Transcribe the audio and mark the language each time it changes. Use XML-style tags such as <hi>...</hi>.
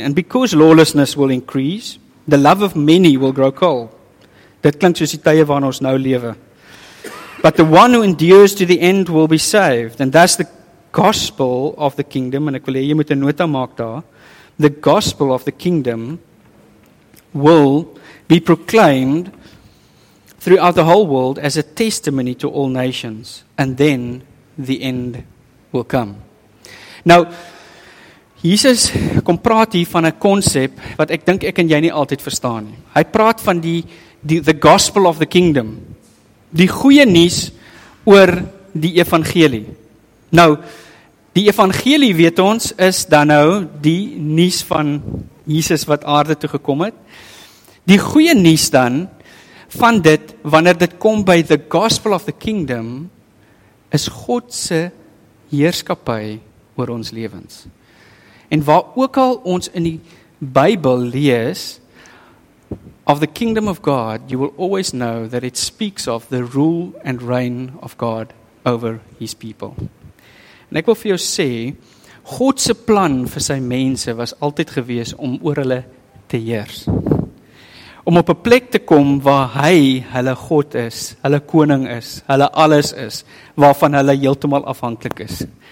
<en>And because lawlessness will increase, the love of many will grow cold.</en> <af>Dit klink soos die tye waarin ons nou lewe.</af> <en>But the one who endures to the end will be saved, and that's the gospel of the kingdom.</en> <af>En ek wil hê jy moet 'n nota maak daar.</af> <en>The gospel of the kingdom will be proclaimed throughout the whole world as a testimony to all nations, and then the end will come.</en> <af>Nou, Jesus kom praat hier van 'n konsep wat ek dink ek en jy nie altyd verstaan nie. Hy praat van</af> <en>the gospel of the kingdom,</en> <af>die goeie nuus oor die evangelie. Nou, die evangelie, weet ons, is dan nou die nuus van Jesus wat aarde toe gekom het. Die goeie nuus dan van dit, wanneer dit kom by</af> <en>the gospel of the kingdom,</en> <af>is God se heerskappy oor ons lewens. En waar ook al ons in die Bybel lees</af> <en>of the kingdom of God, you will always know that it speaks of the rule and reign of God over his people.</en> <af>En ek wil vir jou sê, God se plan vir sy mense was altyd gewees om oor hulle te heers. Om op 'n plek te kom waar hy hulle God is, hulle koning is, hulle alles is, waarvan hulle heeltemal afhanklik is.</af>